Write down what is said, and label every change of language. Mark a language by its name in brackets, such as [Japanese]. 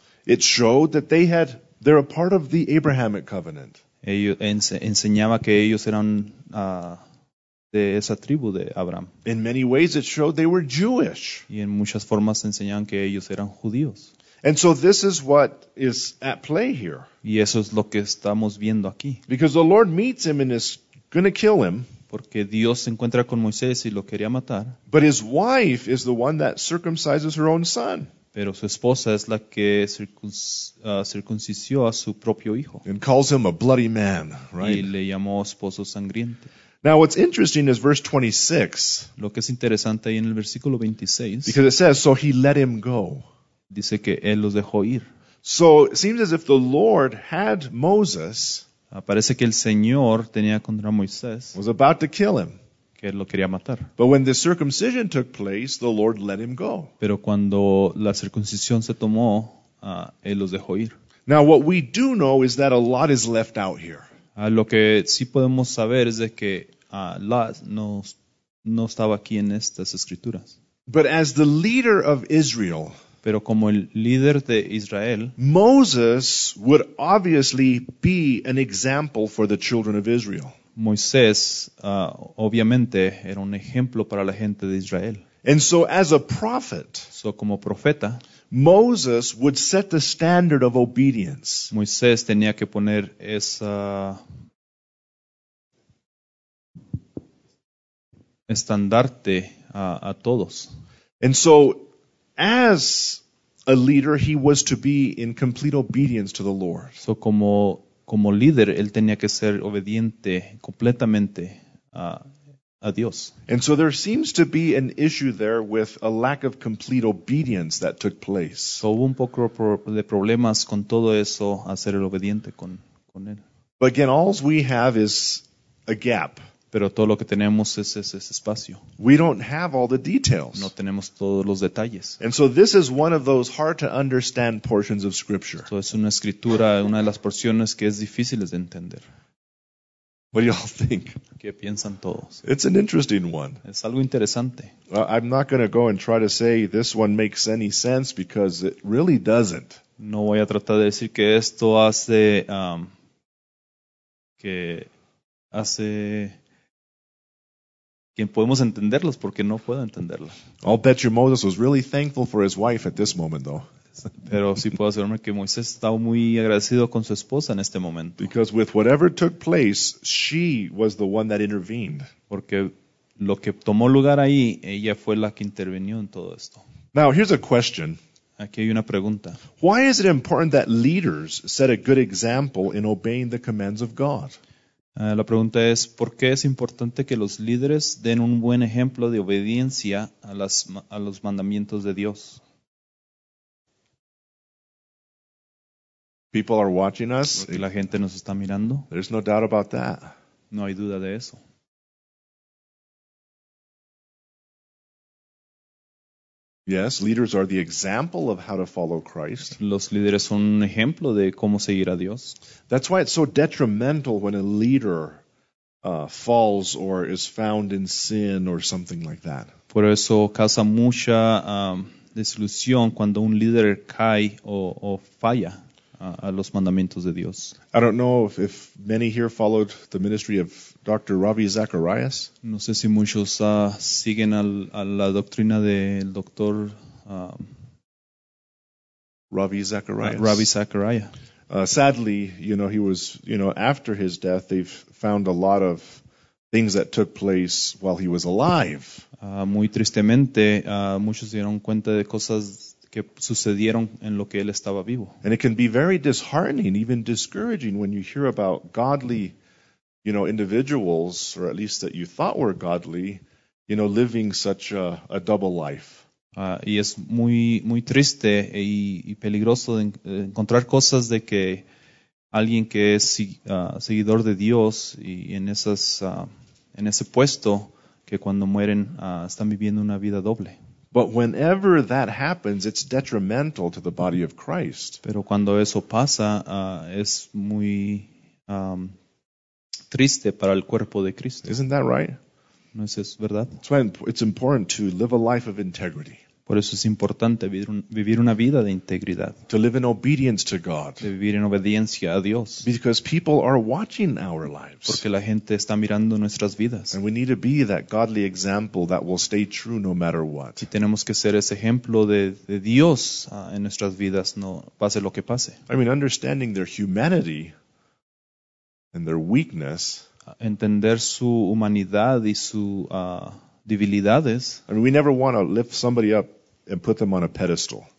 [English] It showed that they're a part of the Abrahamic covenant. [Spanish] Ellos enseñaba que ellos eran de esa tribu de Abraham. [English] In many ways it showed they were Jewish. [Spanish] Y en muchas formas enseñaban que ellos eran judíos. [English] And so this is what is at play here. [Spanish] Y eso es lo que estamos viendo aquí. [English] Because the Lord meets him and is going to kill him. [Spanish] Porque Dios se encuentra con Moisés y lo quería matar. [English] But his wife is the one that circumcises her own son. [Spanish] Pero su esposa es la que circuncidió a su propio hijo. [English] And calls him a bloody man, right? [Spanish] Y le llamó esposo sangriento. [English] Now what's interesting is verse 26. [Spanish] Lo que es interesante ahí en el versículo 26. [English] Because it says, so he let him go. [Spanish] Dice que él los dejó ir. [English] So it seems as if the Lord had Moses. [Spanish] Parece que el Señor tenía contra Moisés. [English] Was about to kill him. [Spanish] Que él lo quería matar. [English] But when the circumcision took place, the Lord let him go. [Spanish] Pero cuando la circuncisión se tomó, él los dejó ir. [English] Now what we do know is that a lot is left out here. [Spanish] Lo que sí podemos saber es de que Lot no estaba aquí en estas escrituras. [English] But as the leader of Israel, [Spanish] Pero como el líder de Israel, [English] Moses would obviously be an example for the children of Israel. [Spanish] Moisés, obviamente, era un ejemplo para la gente de Israel. [English] And so as a prophet, [Spanish] so como profeta, [English] Moses would set the standard of obedience. [Spanish] Moisés tenía que poner esa estandarte a todos. [English] And so as a leader, he was to be in complete obedience to the Lord. [Spanish] So como líder, él tenía que ser obediente completamente a Dios. [English] And so there seems to be an issue there with a lack of complete obedience that took place. [Spanish] So hubo un poco de problemas con todo eso, hacer el obediente con él. [English] But again, all we have is a gap. [Spanish] Pero todo lo que tenemos es ese espacio. [English] We don't have all the details. [Spanish] No tenemos todos los detalles. [English] And so this is one of those hard to understand portions of scripture. [Spanish] So es una escritura, una de las porciones que es difíciles de entender. [English] What do you all think? [Spanish] ¿Qué piensan todos? [English] It's an interesting one. [Spanish] Es algo interesante. [English] I'm not going to go and try to say this one makes any sense because it really doesn't. [Spanish] No voy a tratar de decir que esto hace que podemos entenderlos porque no puedo entenderlos. [English] I'll bet you Moses was really thankful for his wife at this moment, though. [Spanish] Pero sí puedo asegurarme que Moisés estaba muy agradecido con su esposa en este momento. [English] Because with whatever took place, she was the one that intervened. [Spanish] Porque lo que tomó lugar ahí, ella fue la que intervino en todo esto. [English] Now, here's a question. [Spanish] Aquí hay una pregunta. [English] Why is it important that leaders set a good example in obeying the commands of God? [Spanish] La pregunta es, ¿por qué es importante que los líderes den un buen ejemplo de obediencia a los mandamientos de Dios? [English] People are watching us. [Spanish] Porque la gente nos está mirando. [English] There's no doubt about that. [Spanish] No hay duda de eso. [English] Yes, leaders are the example of how to follow Christ. [Spanish] Los líderes son un ejemplo de cómo seguir a Dios. [English] That's why it's so detrimental when a leader falls or is found in sin or something like that. [Spanish] Por eso causa mucha desilusión cuando un líder cae o falla a los mandamientos de Dios. [English] I don't know if many here followed the ministry of Dr. Ravi Zacharias. [Spanish] No sé si muchos siguen a la doctrina del doctor Ravi Zacharias. Ravi Zacharias. [English] Sadly, you know, he was, you know, after his death, they've found a lot of things that took place while he was alive. [Spanish] Muy tristemente, muchos dieron cuenta de cosas que sucedieron en lo que él estaba vivo. [English] And it can be very disheartening, even discouraging, when you hear about godly, you know, individuals, or at least that you thought were godly, you know, living such a double life. [Spanish] Y es muy, muy triste y peligroso de encontrar cosas de que alguien que es seguidor de Dios y en ese puesto, que cuando mueren están viviendo una vida doble. [English] But whenever that happens, it's detrimental to the body of Christ. [Spanish] Pero cuando eso pasa, es muy triste para el cuerpo de Cristo. [English] Isn't that right? [Spanish] ¿No es eso verdad? [English] That's why it's important to live a life of integrity. [Spanish] Por eso es importante vivir una vida de integridad. [English] To live in obedience to God. [Spanish] De vivir en obediencia a Dios. [English] Because people are watching our lives. [Spanish] Porque la gente está mirando nuestras vidas. [English] And we need to be that godly example that will stay true no matter what. [Spanish] Y tenemos que ser ese ejemplo de Dios en nuestras vidas, no pase lo que pase. [English] I mean, understanding their humanity and their weakness. [Spanish] Entender su humanidad y su debilidades. [English] I mean, we never want to lift somebody up and put them on a pedestal.